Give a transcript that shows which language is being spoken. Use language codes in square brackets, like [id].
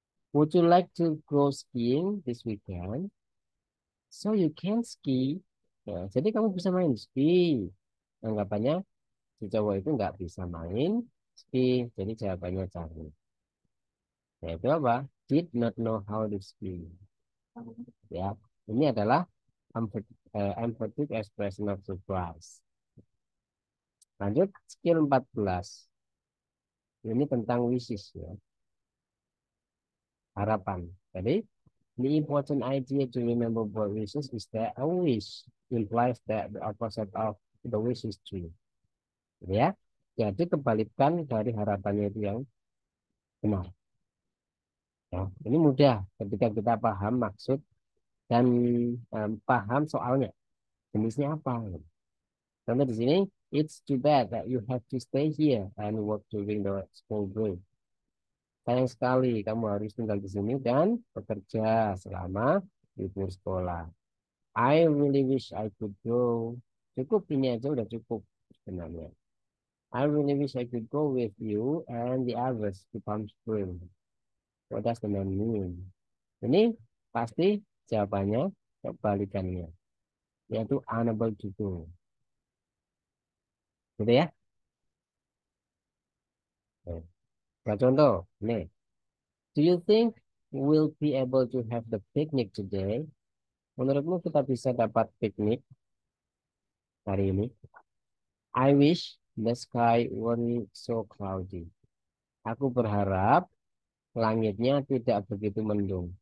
[en] Would you like to go skiing this weekend? So you can ski. [id] Ya, jadi kamu bisa main ski. Anggapannya si cowok itu nggak bisa main ski. Jadi jawabannya cari. Ya, itu apa? [en] Did not know how to ski. [id] Ya, ini adalah [en] emphatic expression of surprise. [id] Lanjut, skill 14. Ini tentang wishes ya. Harapan. Jadi, [en] the important idea to remember about wishes is that a wish implies that the opposite of the wish is true. [id] Ya, jadi kebalikan dari harapannya itu yang benar. Ya, ini mudah ketika kita paham maksud dan paham soalnya. Jenisnya apa? Contoh di sini, [en] it's too bad that you have to stay here and work during the school break. [id] Sayang sekali, kamu harus tinggal di sini dan bekerja selama libur sekolah. [en] I really wish I could go. [id] Cukup ini aja udah cukup sebenarnya. [en] I really wish I could go with you and the others to Palm Springs. What does the man mean? [id] Ini pasti jawabannya kebalikannya, yaitu [en] unable to go. [id] Gitu ya? Oke. Nah, contoh, nih. [en] Do you think we'll be able to have the picnic today? [id] Menurutmu kita bisa dapat piknik hari ini? [en] I wish the sky weren't so cloudy. [id] Aku berharap langitnya tidak begitu mendung.